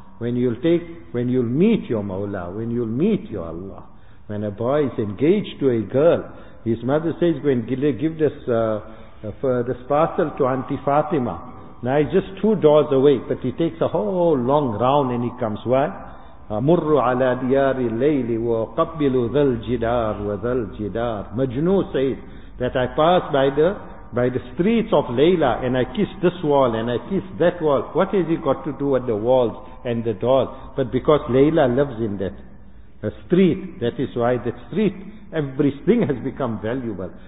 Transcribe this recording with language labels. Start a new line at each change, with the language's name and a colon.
English: when you'll meet your Mawla, when you'll meet your Allah. When a boy is engaged to a girl, his mother says, go and give this, for this parcel to Auntie Fatima. Now he's just two doors away, but he takes a whole long round and he comes. Why?
Arabic: مروا على ديار الليل وقبلوا ذا الجدار وذا الجدار.
English: Majnu said that I passed by the streets of Layla and I kissed this wall and I kissed that wall. What has he got to do with the walls and the doors? But because Layla lives in that street, that is why that street, everything has become valuable.